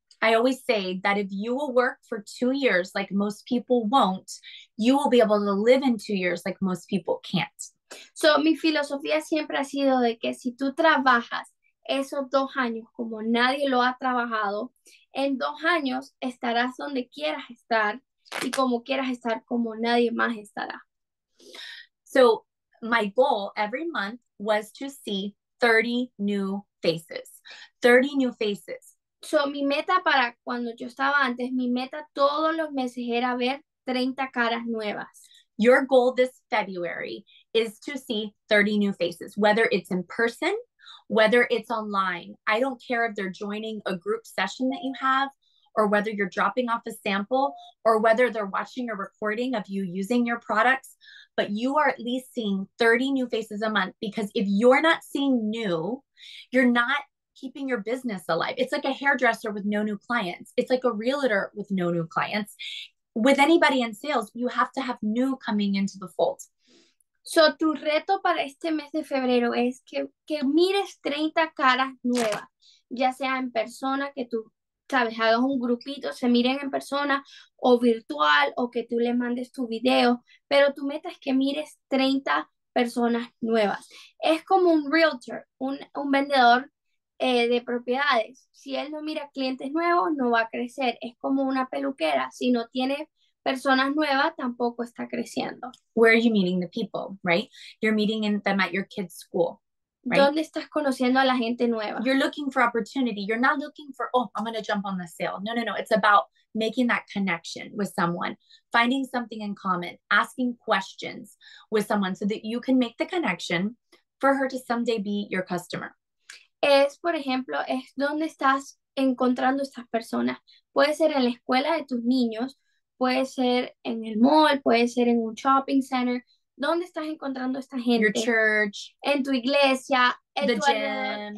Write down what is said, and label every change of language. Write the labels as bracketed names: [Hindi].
[English] I always say that if you will work for 2 years like most people won't, you will be able to live in 2 years like most people can't. [Spanish] So mi filosofía siempre ha sido de que si tú trabajas esos 2 años como nadie lo ha trabajado, en 2 años estarás donde quieras estar. Y como quieras estar, como nadie más estará. [English] So my goal every month was to see 30 new faces. 30 new faces. [Spanish] So mi meta para cuando yo estaba antes, mi meta todos los meses era ver 30 caras nuevas. [English] Your goal this February is to see 30 new faces, whether it's in person, whether it's online. I don't care if they're joining a group session that you have, or whether you're dropping off a sample, or whether they're watching a recording of you using your products, but you are at least seeing 30 new faces a month, because if you're not seeing new, you're not keeping your business alive. It's like a hairdresser with no new clients. It's like a realtor with no new clients. With anybody in sales, you have to have new coming into the fold. [Spanish] So tu reto para este mes de febrero es que mires 30 caras nuevas, ya sea en persona, que tú sabes, hagas un grupito, se miren en persona o virtual, o que tú les mandes tu video, pero tu meta es que mires 30 personas nuevas. Es como un realtor, un vendedor de propiedades. Si él no mira clientes nuevos, no va a crecer. Es como una peluquera. Si no tiene personas nuevas, tampoco está creciendo. [English] Where are you meeting the people, right? You're meeting them at your kid's school. Right? [Spanish] ¿Dónde estás conociendo a la gente nueva? [English] You're looking for opportunity. You're not looking for, oh, I'm going to jump on the sale. No, no, no. It's about making that connection with someone, finding something in common, asking questions with someone so that you can make the connection for her to someday be your customer. [Spanish] Es, por ejemplo, es donde estás encontrando estas personas. Puede ser en la escuela de tus niños, puede ser en el mall, puede ser en un shopping center. ¿Dónde estás encontrando esta gente? [English] Your church. [Spanish] En tu iglesia. En [English] the [Spanish] tu [English] gym.